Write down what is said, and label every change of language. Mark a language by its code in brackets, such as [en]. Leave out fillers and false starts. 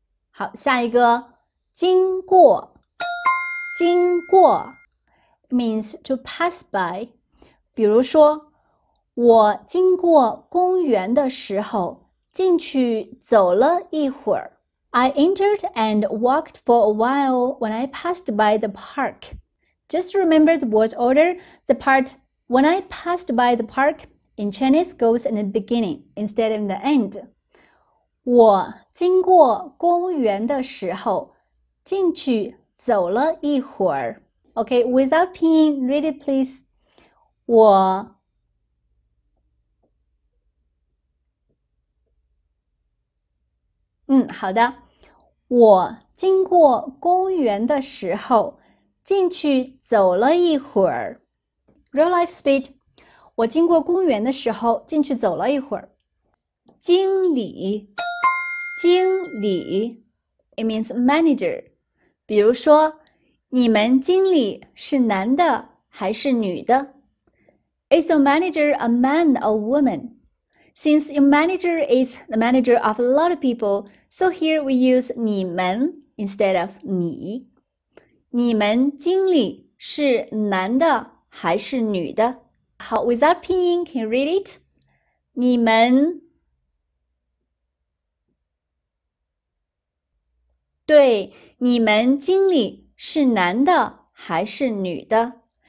[zh] 好下一个经过。经过 [en] means to pass by. [zh] 比如说我经过公园的时候进去走了一会儿。 [en] I entered and walked for a while when I passed by the park. Just remember the word order, the part when I passed by the park in Chinese goes in the beginning instead of in the end. [zh] 我经过公园的时候进去走了一会儿。 [en] Okay, without pinyin, read it please. [zh] 我好的。我经过公园的时候进去走了一会儿。 [en] Real life speed. [zh] 我经过公园的时候进去走了一会儿。经理。经理。 [en] It means manager. [zh] 比如说你们经理是男的还是女的。 [en] Is your manager a man or woman? Since your manager is the manager of a lot of people,So here we use 你们 instead of 你。 [zh] 你们经理是男的还是女的？ [en] 好 ，without 拼音 ，can you read it？ [zh] 你们对，你们经理是男的还是女的